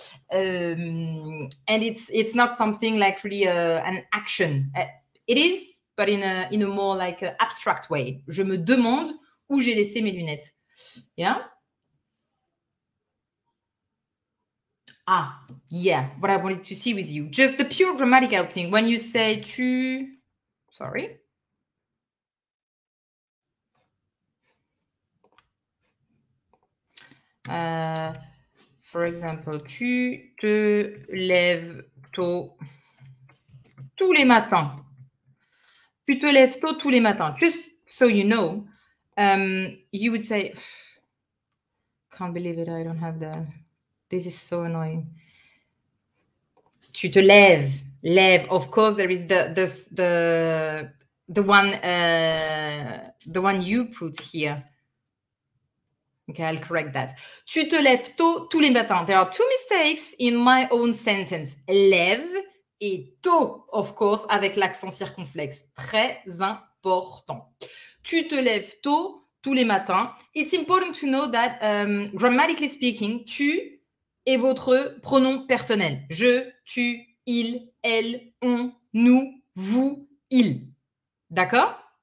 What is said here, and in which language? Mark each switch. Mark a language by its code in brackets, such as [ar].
[en] And it's not something like really an action. It is, but in a more like abstract way. [fr] Je me demande où j'ai laissé mes lunettes. [en] Yeah. Ah, yeah. What I wanted to see with you, just the pure grammatical thing. When you say tu, sorry. For example, [fr] tu te lèves tôt tous les matins. Tu te lèves tôt tous les matins. [en] Just so you know, you would say, can't believe it, I don't have the, this is so annoying. [fr] tu te lèves. [en] Lève, of course, there is the one you put here. Okay, I'll correct that. [fr] Tu te lèves tôt tous les matins. [en] There are two mistakes in my own sentence. [fr] Lève et tôt, [en] of course, [fr] avec l'accent circonflexe. Très important. Tu te lèves tôt tous les matins. [en] It's important to know that, grammatically speaking, tu est votre pronom personnel. [fr] Je, tu, il, elle, on, nous, vous, il. D'accord?